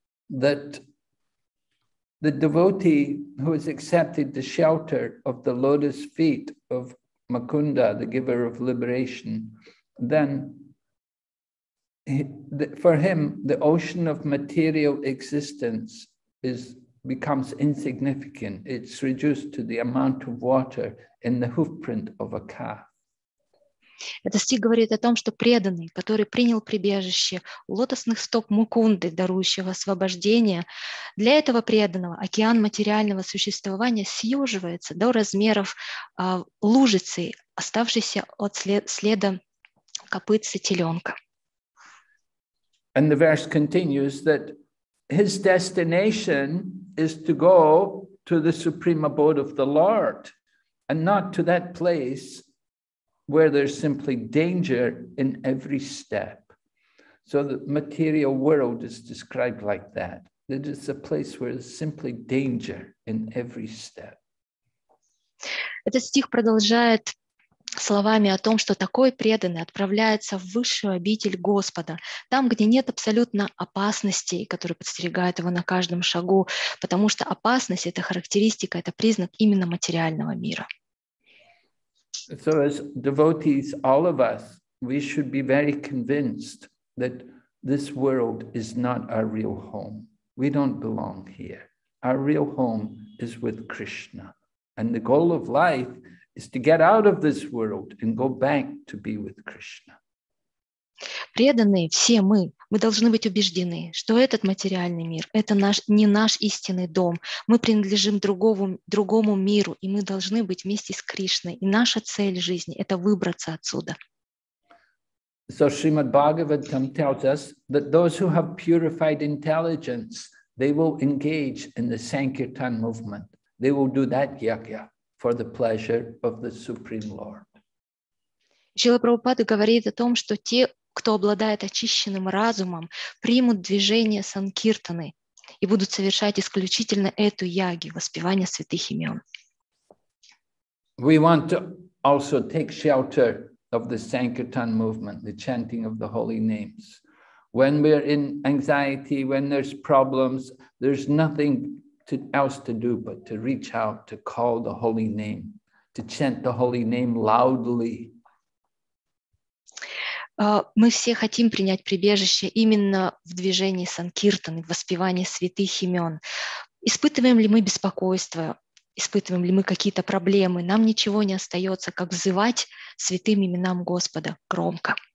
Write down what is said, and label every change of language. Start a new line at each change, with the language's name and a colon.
English: That the devotee who has accepted the shelter of the lotus feet of Mukunda, the giver of liberation, then for him, the ocean of material existence becomes insignificant. It's reduced to the amount of water in the hoof print of a calf.
Russian: Этот стих говорит о том, что преданный, который принял прибежище у лотосных стоп Мукунды, дарующего освобождение, для этого преданного океан материального существования съеживается до размеров лужицы, оставшейся от следа копытца теленка.
English: And the verse continues that his destination is to go to the supreme abode of the Lord and not to that place where there's simply danger in every step. So the material world is described like that. That is a place where there's simply danger in every step.
Russian: Этот стих продолжает словами о том, что такой преданный отправляется в высшую обитель Господа, там, где нет абсолютно опасностей, которые подстерегают его на каждом шагу, потому что опасность — это характеристика, это признак именно материального мира.
English: So as devotees, all of us, we should be very convinced that this world is not our real home. We don't belong here. Our real home is with Krishna. And the goal of life is to get out of this world and go back to be with Krishna.
Russian: Преданные все мы должны быть убеждены, что этот материальный мир – это не наш истинный дом. Мы принадлежим другому миру, и мы должны быть вместе с Кришной. И наша цель жизни – это выбраться отсюда.
English: So Srimad Bhagavatam tells us that those who have purified intelligence, they will engage in the Sankirtan movement. They will do that yagya for the pleasure of the Supreme Lord.
Russian: Шрила Прабхупада говорит о том, что те, кто обладает очищенным разумом, примут движение Санкиртаны и будут совершать исключительно эту яги, воспевание святых имен.
English: We want to also take shelter of the Sankirtan movement, the chanting of the holy names. When we're in anxiety, when there's problems, there's nothing else to do but to reach out, to call the holy name, to chant the holy name loudly.
Russian: Мы все хотим принять прибежище именно в движении Санкиртаны, в воспевании святых имен. Испытываем ли мы беспокойство? Испытываем ли мы какие-то проблемы? Нам ничего не остается, как взывать святым именам Господа громко.